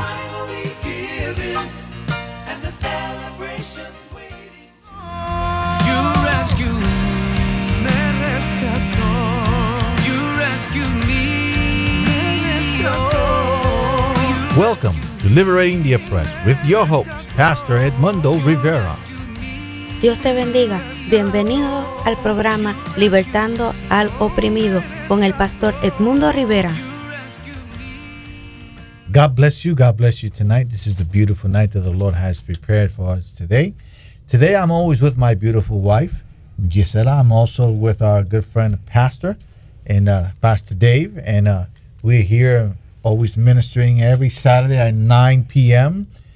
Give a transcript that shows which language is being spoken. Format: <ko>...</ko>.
<en>Welcome to Liberating the Oppressed with your host, Pastor Edmundo Rivera.</en> <es>Dios te bendiga. Bienvenidos al programa Libertando al Oprimido con el Pastor Edmundo Rivera.</es> <en>God bless you. God bless you tonight. This is the beautiful night that the Lord has prepared for us today. Today I'm always with my beautiful wife, Gisela. I'm also with our good friend, Pastor, and Pastor Dave. And we're here always ministering every Saturday at 9 p.m.</en>